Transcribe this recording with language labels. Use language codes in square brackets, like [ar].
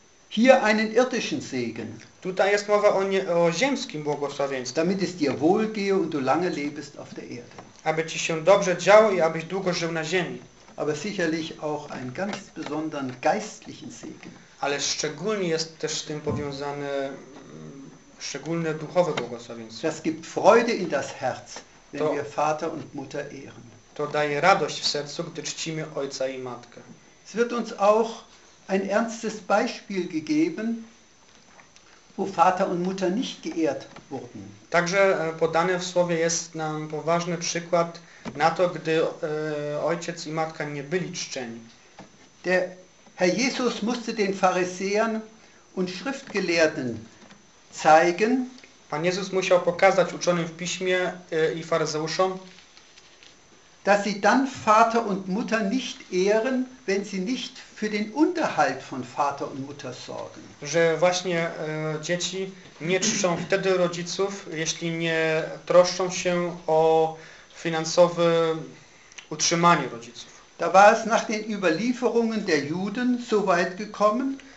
[de] Hier einen irdischen Segen. [pl] Tutaj jest mowa o ziemskim błogosławieństwie. [de] Damit es dir wohl gehe und du lange lebst auf der Erde. [pl] Aby ci się dobrze działo i abyś długo żył na ziemi. [de] Aber sicherlich auch einen ganz besonderen geistlichen Segen. [pl] Ale szczególnie jest też z tym powiązane szczególne duchowe błogosławieństwo. [de] Das gibt Freude in das Herz, wenn wir Vater und Mutter ehren. [pl] To daje radość w sercu, gdy czcimy ojca i matkę. [de] Es wird uns auch ein ernstes Beispiel gegeben, wo Vater und Mutter nicht geehrt wurden. [pl] Także podane w słowie jest nam poważny przykład na to, gdy ojciec i matka nie byli czczeni. [de] Der Herr Jesus musste den Pharisäern und Schriftgelehrten zeigen. [pl] Pan Jezus musiał pokazać uczonym w piśmie i faryzeuszom, [de] dass sie dann Vater und Mutter nicht ehren, wenn sie nicht für den Unterhalt von Vater und Mutter sorgen. [pl] Że właśnie dzieci nie czczą wtedy rodziców, jeśli nie troszczą się o finansowe utrzymanie rodziców. [de] Da war es nach den Überlieferungen der Juden so weit gekommen,